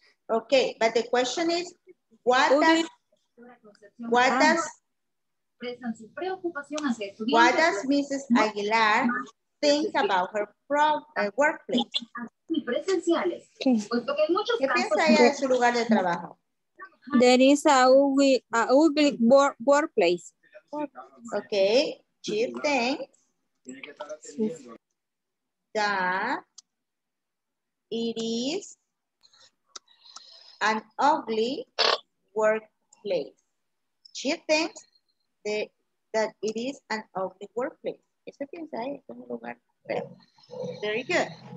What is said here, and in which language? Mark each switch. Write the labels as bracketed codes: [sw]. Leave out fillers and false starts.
[en] Okay, but the question is, what does Mrs. Aguilar think about her workplace? [es] ¿Qué piensa ella de su lugar de trabajo? [en] There is a ugly workplace. Okay, she thinks that it is an ugly workplace. She thinks that it is an ugly workplace. [es] ¿Eso piensa ahí? ¿Es un lugar? [en] Very good.